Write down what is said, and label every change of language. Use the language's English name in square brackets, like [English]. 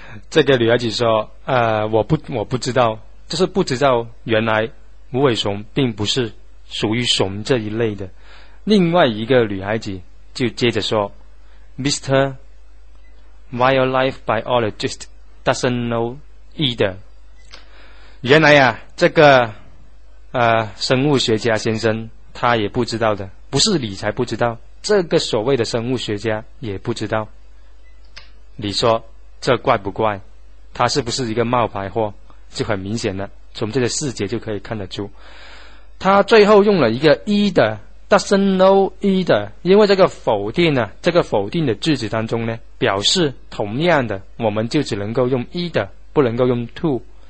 [Chinese] 这个女孩子说我不知道，就是不知道原来无尾熊并不是属于熊这一类的。另外一个女孩子就接着说 Mr. [English] Wildlife Biologist doesn't know either。 [Chinese] 原来啊，这个生物学家先生他也不知道的，不是你才不知道，这个所谓的生物学家也不知道。你说这怪不怪？他是不是一个冒牌货？就很明显了，从这个细节就可以看得出。他最后用了一个 [English] either doesn't know either， [Chinese] 因为这个否定呢，这个否定的句子当中呢，表示同样的，我们就只能够用 either， 不能够用 to。